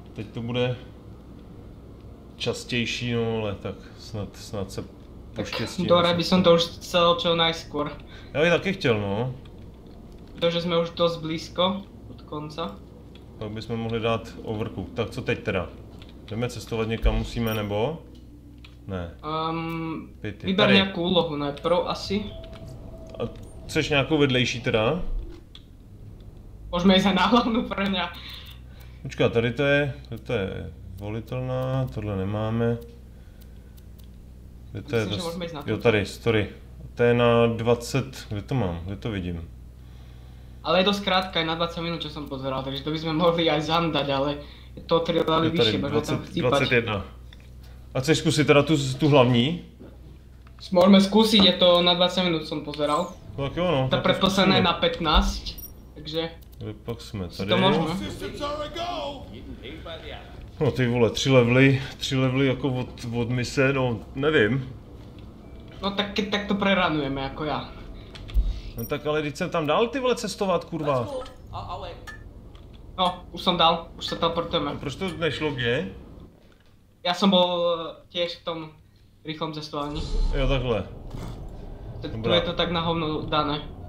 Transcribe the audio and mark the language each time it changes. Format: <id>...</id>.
<cs>teď to bude častější, no ale tak snad se poštěstí.</cs> <sk>Tak dore, by som to už chcel čo najskôr.</sk> <cs>Já bych taky chtěl, no. Protože jsme už dost blízko od konca. Tak bychom mohli dát overku. Tak co teď teda? Jdeme cestovat někam musíme, nebo? Ne. Vyber nějakou úlohu najprv asi. A chceš nějakou vedlejší teda? Můžeme jít za náhlavnu pro ně. Počka, tady to je volitelná, tohle nemáme. Kde to myslím, je že můžeme jít na to. Jo, tady, story. To je na 20, kde to mám, kde to vidím? Ale je to zkrátka, na 20 minut, co jsem pozeral, takže to bychom mohli aj zandat, ale je to tři levely vyšší, tady 21. A chceš zkusit teda tu hlavní? Můžeme zkusit, je to na 20 minut, co jsem pozeral. Tak jo, no. Ta předposlená je na 15, takže... Kde pak jsme tady? To můžeme. No ty vole, tři levely jako od mise, no nevím. No tak to preranujeme, jako já. No tak ale když jsem tam dal ty vole cestovat, kurva. No, už jsem dal, už se teleportujeme. No, proč to nešlo kde? Já jsem byl těž v tom rychlém cestování. Jo, takhle. Dobrá. Tu je to tak na hovno dané.</cs>